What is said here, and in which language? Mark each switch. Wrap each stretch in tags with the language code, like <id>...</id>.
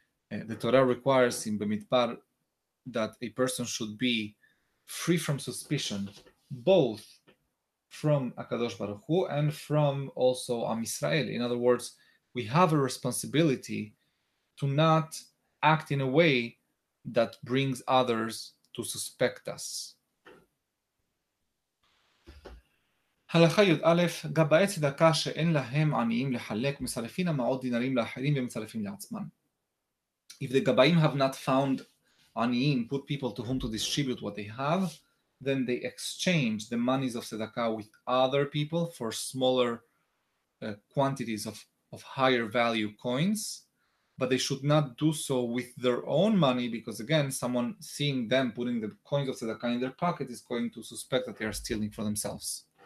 <en>The Torah requires in Bemidbar that a person should be free from suspicion, both from HaKadosh Baruch Hu and from also Am Yisrael. In other words, we have a responsibility to not act in a way that brings others to suspect us.</en> <he>הלכה י' א', גבאי צדקה שאין להם עניים לחלק מסלפין המעות דינרים לאחרים ומסלפין לעצמן.</he> <en>If the gabayim have not found aniim, put people to whom to distribute what they have, then they exchange the monies of tzedakah with other people for smaller quantities of higher value coins. but they should not do so with their own money, because again, someone seeing them putting the coins of tzedakah in their pocket is going to suspect that they are stealing for themselves.</en>